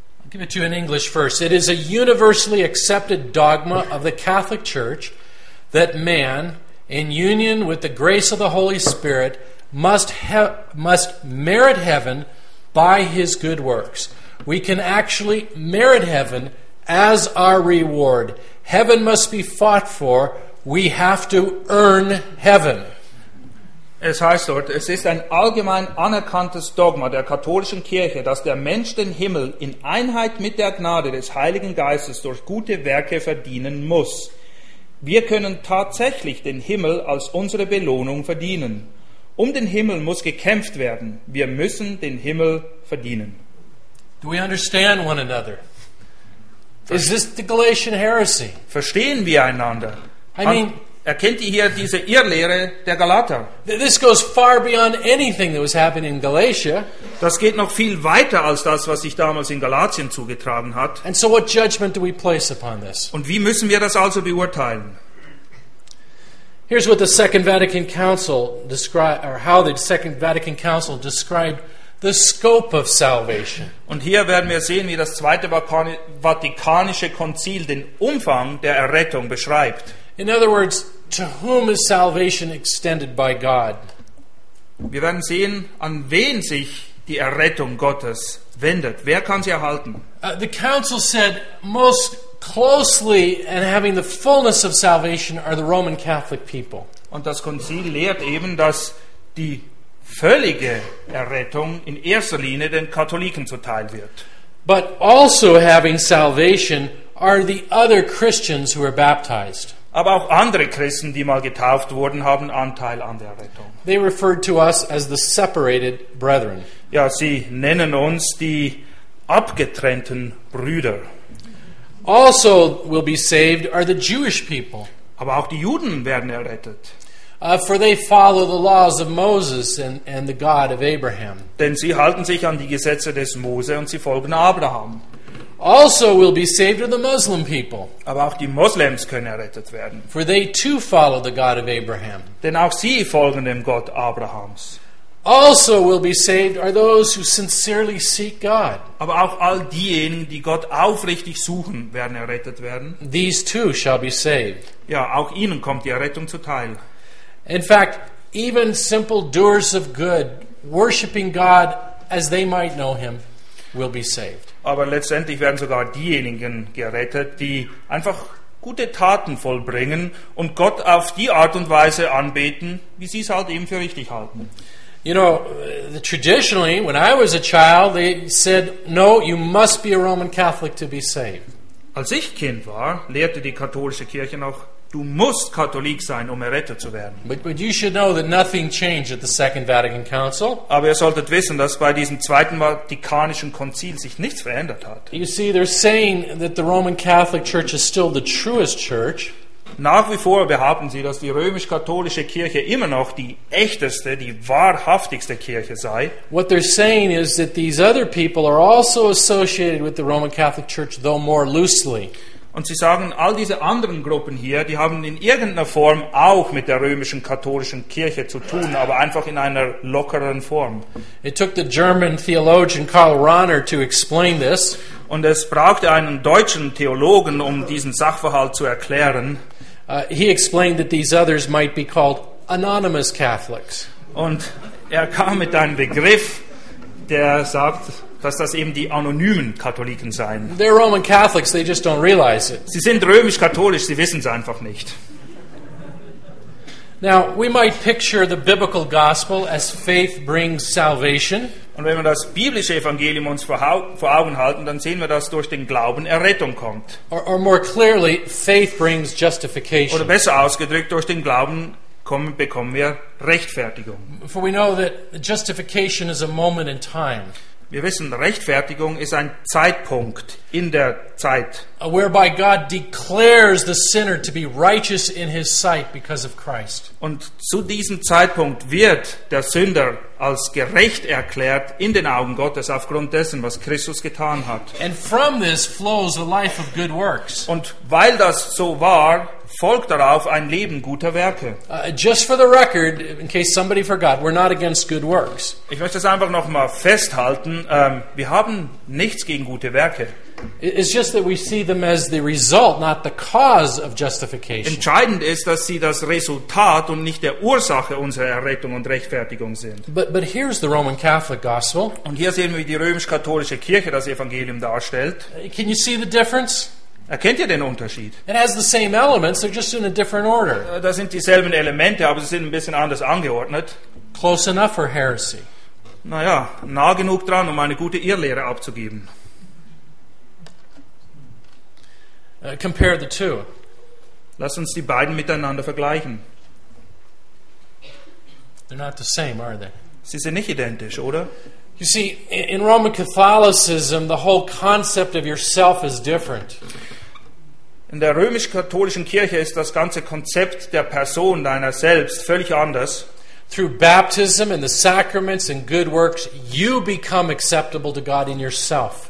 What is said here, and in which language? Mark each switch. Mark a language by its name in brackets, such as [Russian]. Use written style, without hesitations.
[English] Give it to you in English first. It is a universally accepted dogma of the Catholic Church that man, in union with the grace of the Holy Spirit, must merit heaven by his good works. We can actually merit heaven as our reward. Heaven must be fought for. We have to earn heaven. [German] Es heißt dort, es ist ein allgemein anerkanntes Dogma der katholischen Kirche, dass der Mensch den Himmel in Einheit mit der Gnade des Heiligen Geistes durch gute Werke verdienen muss. Wir können tatsächlich den Himmel als unsere Belohnung verdienen. Um den Himmel muss gekämpft werden. Wir müssen den Himmel verdienen. [English] Do we understand one another? Is this the Galatian heresy? [German] Verstehen wir einander? [English] I mean, [German] erkennt ihr hier diese Irrlehre der Galater? [English] This goes far beyond anything that was happening in Galatia. [German] Das geht noch viel weiter als das, was sich damals in Galatien zugetragen hat. [English] And so what judgment do we place upon this? [German] Und wie müssen wir das also beurteilen? [English] Here's what the Second Vatican Council described the scope of salvation. [German] Und hier werden wir sehen, wie das Zweite Vatikanische Konzil den Umfang der Errettung beschreibt. [English] In other words, to whom is salvation extended by God? [German] Wir werden sehen, an wen sich die Errettung Gottes wendet. Wer kann sie erhalten? [English] The council said most closely and having the fullness of salvation are the Roman Catholic people. [German] Und das Konzil lehrt eben, dass die völlige Errettung in erster Linie den Katholiken zuteil wird. [English] But also having salvation are the other Christians who are baptized. [German] Aber auch andere Christen, die mal getauft wurden, haben Anteil an der Errettung. [English] They referred to us as the separated brethren. [German] Ja, sie nennen uns die abgetrennten Brüder. [English] Also will be saved are the Jewish people. [German] Aber auch die Juden werden errettet. [English] For they follow the laws of Moses and the God of Abraham. [German] Denn sie halten sich an die Gesetze des Mose und sie folgen Abraham. [English] Also will be saved are the Muslim people. [German] Aber auch die Moslems können errettet werden. [English] For they too follow the God of Abraham. [German] Denn auch sie folgen dem Gott Abrahams. [English] Also will be saved are those who sincerely seek God. [German] Aber auch all diejenigen, die Gott aufrichtig suchen, werden errettet werden. [English] These too shall be saved. [German] Ja, auch ihnen kommt die Errettung zuteil. [English] In fact, even simple doers of good, worshiping God as they might know him, will be saved. [German] Aber letztendlich werden sogar diejenigen gerettet, die einfach gute Taten vollbringen und Gott auf die Art und Weise anbeten, wie sie es halt eben für richtig halten. [English] You know, traditionally, when I was a child, they said, no, you must be a Roman Catholic to be saved. [German] Als ich Kind war, lehrte die katholische Kirche noch, du musst Katholik sein, um errettet zu werden. [English] But you should know that nothing changed at the Second Vatican Council. [German] Aber ihr solltet wissen, dass bei diesem Zweiten Vatikanischen Konzil sich nichts verändert hat. [English] You see, they're saying that the Roman Catholic Church is still the truest church. [German] Nach wie vor behaupten sie, dass die römisch-katholische Kirche immer noch die echteste, die wahrhaftigste Kirche sei. [English] What they're saying is that these other people are also associated with the Roman Catholic Church, though more loosely. [German] Und sie sagen, all diese anderen Gruppen hier, die haben in irgendeiner Form auch mit der römischen katholischen Kirche zu tun, aber einfach in einer lockeren Form. [English] It took the German theologian Karl Rahner to explain this. [German] Und es brauchte einen deutschen Theologen, um diesen Sachverhalt zu erklären. [English] He explained that these others might be called anonymous Catholics. [German] Und er kam mit einem Begriff, der sagt, dass das eben die anonymen Katholiken seien. [English] They're Roman Catholics, they just don't realize it. [German] Sie sind römisch-katholisch, sie wissen es einfach nicht. [English] Now, we might picture the biblical gospel as faith brings salvation. [German] Und wenn wir das biblische Evangelium uns vor Augen halten, dann sehen wir, dass durch den Glauben Errettung kommt. [English] Or more clearly, faith brings justification. [German] Oder besser ausgedrückt, durch den Glauben bekommen wir Rechtfertigung. [English] For we know that justification is a moment in time. [German] Wir wissen, Rechtfertigung ist ein Zeitpunkt in der Zeit, [English] whereby God declares the sinner to be righteous in his sight because of Christ. [German] Und zu diesem Zeitpunkt wird der Sünder als gerecht erklärt in den Augen Gottes aufgrund dessen, was Christus getan hat. [English] And from this flows a life of good works. [German] Und weil das so war, folgt darauf ein Leben guter Werke. [English] Just for the record, in case somebody forgot, we're not against good works. [German] Ich möchte das einfach noch mal festhalten. Wir haben nichts gegen gute Werke. [English] It's just that we see them as the result, not the cause of justification. [German] Entscheidend ist, dass sie das Resultat und nicht der Ursache unserer Errettung und Rechtfertigung sind. [English] But here's the Roman Catholic gospel. [German] Und hier sehen wir, die römisch-katholische Kirche das Evangelium darstellt. [English] Can you see the difference? [German] Erkennt ihr den Unterschied? [English] It has the same elements, they're just in a different order. [German] Da sind dieselben Elemente, aber sie sind ein bisschen anders angeordnet. [English] Close enough for heresy. [German] Naja, nah genug dran, um eine gute Irrlehre abzugeben. [English] Compare the two. [German] Lass uns die beiden miteinander vergleichen. [English] They're not the same, are they? [German] Sie sind nicht identisch, oder? [English] You see, in Roman Catholicism, the whole concept of yourself is different. [German] In der römisch-katholischen Kirche ist das ganze Konzept der Person, deiner selbst, völlig anders. [English] Through baptism and the sacraments and good works, you become acceptable to God in yourself.